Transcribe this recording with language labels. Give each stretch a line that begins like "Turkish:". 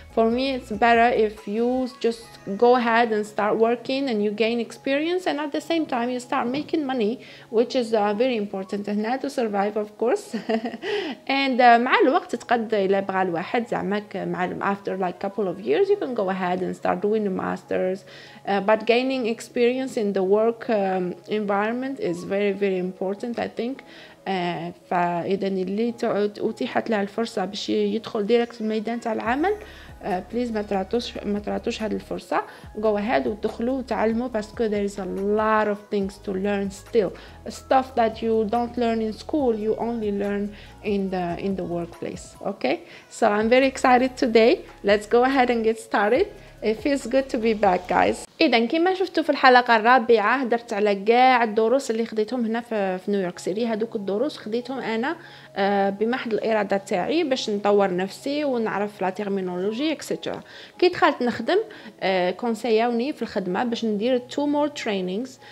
English: For me it's better if you just go ahead and start working and you gain experience and at the same time you start making money which is very important and not to survive of course. And
Arabic: مع الوقت تقد الى بغى الواحد زعمك معلم
English: after like couple of years you can go ahead and start doing the masters but gaining experience in the work environment is very very important I think.
Arabic: فإذا اللي أتيحت لها الفرصة باش يدخل ديركت الميدان تاع العمل بليز ما تراتوش هاد الفرصة.
English: go ahead
Arabic: ودخلوا وتعلموا باسكو
English: there is a lot of things to learn still stuff that you don't learn in school you only learn in the workplace. okay so I'm very excited today, let's go ahead and get started. It feels good to be back guys.
Arabic: إذن كما شفتوا في الحلقة الرابعة هدرت على كاع الدروس اللي خديتهم هنا في نيويورك سيتي. هذوك الدروس خديتهم أنا بمحض الإرادة تاعي باش نطور نفسي ونعرف لا تيرمينولوجي اكسيتيرا. كي دخلت نخدم كونسيوني في الخدمة باش ندير تو مور ترينينغز.